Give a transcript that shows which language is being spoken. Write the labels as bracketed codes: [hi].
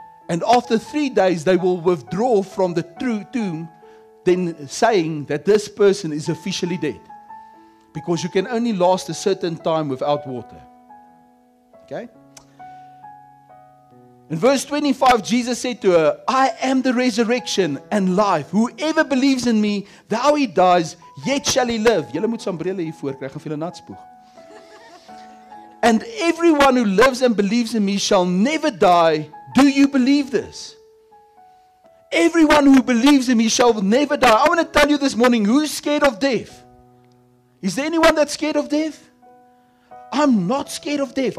[en] And after 3 days, they will withdraw from the true tomb, then saying that this person is officially dead. Because you can only last a certain time without water. Okay. In verse 25, Jesus said to her, I am the resurrection and life. Whoever believes in me, though he dies, yet shall he live. [af] Julle moet sambrele hier voor kry, gaan vir 'n natspoeg. [en] And everyone who lives and believes in me shall never die. Do you believe this? Everyone who believes in me shall never die. I want to tell you this morning, who's scared of death? Is there anyone that's scared of death? I'm not scared of death.